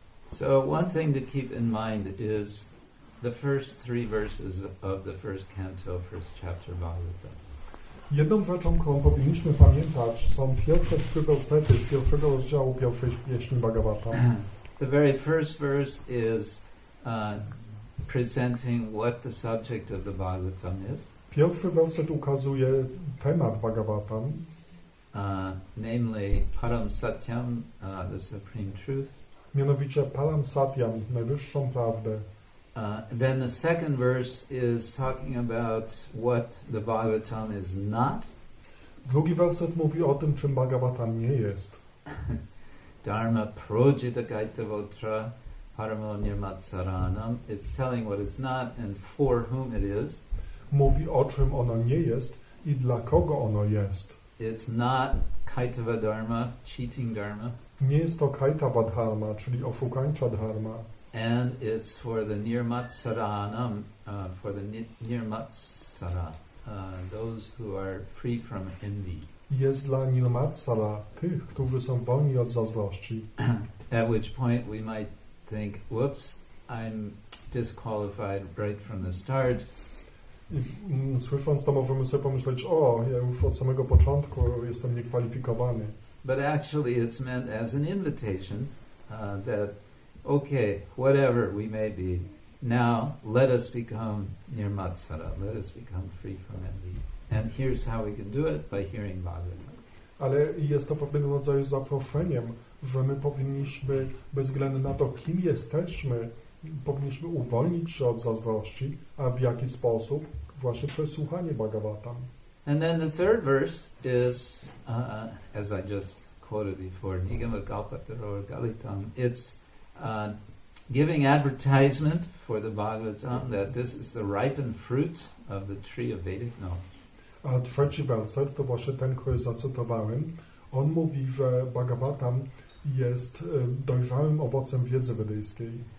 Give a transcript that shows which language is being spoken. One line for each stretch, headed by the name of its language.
English: So one thing to keep in mind is the first three verses of the first canto, first chapter of Bhagavata.
Polish: Jedną rzeczą, którą powinniśmy pamiętać, są pierwsze trzy wersety z pierwszego rozdziału pierwszej pieśni Bhagavata.
English: The very first verse is presenting what the subject of the Bhagavatam is.
Polish: Pierwszy werset ukazuje temat Bhagavatam.
English: Namely, Param Satyam, the Supreme Truth.
Polish: Mianowicie Param Satyam, najwyższą prawdę.
English: Then the second verse is talking about what the Bhagavatam is not.
Polish: Drugi werset mówi o tym, czym Bhagavatam nie jest.
Sanskrit: Dharma Projita Gaita Votra Paramo Nirmatsaranam.
English: It's telling what it's not and for whom it is.
Polish: Mówi o czym ono nie jest i dla kogo ono jest.
English: It's not Kaitava Dharma, cheating Dharma.
Polish: Nie jest to Kaitava Dharma, czyli oszukańcza Dharma.
English: And it's for the nirmatsaranam, for the nirmatsara, those who are free from envy.
Polish: Jest dla nirmatsara, tych, którzy są wolni od zazdrości.
English: At which point we might think, whoops, I'm disqualified right from the start.
Polish: Słysząc to, możemy sobie pomyśleć, o, ja już od samego początku jestem niekwalifikowany.
English: But actually it's meant as an invitation that okay, whatever we may be, now let us become nirmatsara, let us become free from envy. And here's how we can do it, by hearing Bhagavatam.
Polish: Ale jest to pewnego rodzaju zaproszeniem, że my powinniśmy, bez względu na to, kim jesteśmy, powinniśmy uwolnić się od zazdrości, a w jaki sposób? Właśnie przez słuchanie Bhagavatam.
English: And then the third verse is, as I just quoted before,
Sanskrit: Nigama Kalpataro Galitam,
English: it's giving advertisement for the Bhagavatam that this is the ripened fruit of the tree of Vedic knowledge.
Polish: A trzeci werset, to właśnie ten, który zacytowałem, on mówi, że Bhagavatam jest dojrzałym owocem wiedzy wedyjskiej.